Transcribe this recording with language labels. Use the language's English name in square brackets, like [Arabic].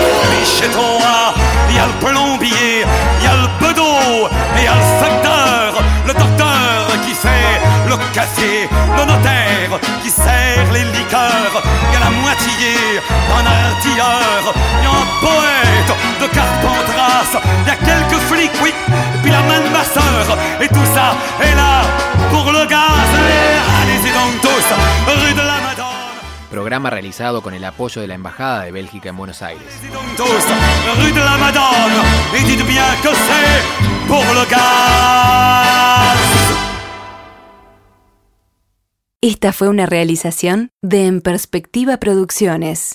[French] Mais chez toi, y a le plombier, y a le pedo, et y a le facteur, le docteur qui fait le café, le notaire qui sert les liqueurs, y a la moitié d'un artilleur, y a un poète de Carpentras, y a quelques flics, oui, et puis la main de ma sœur, et tout ça est là pour le gaz. Allez-y donc tous, rue de la Madone. [Spanish] Programa realizado con el apoyo de la Embajada de Bélgica en Buenos Aires. [French] Rue de la Madone, et dites bien que c'est pour le gaz. [Spanish] Esta fue una realización de En Perspectiva Producciones.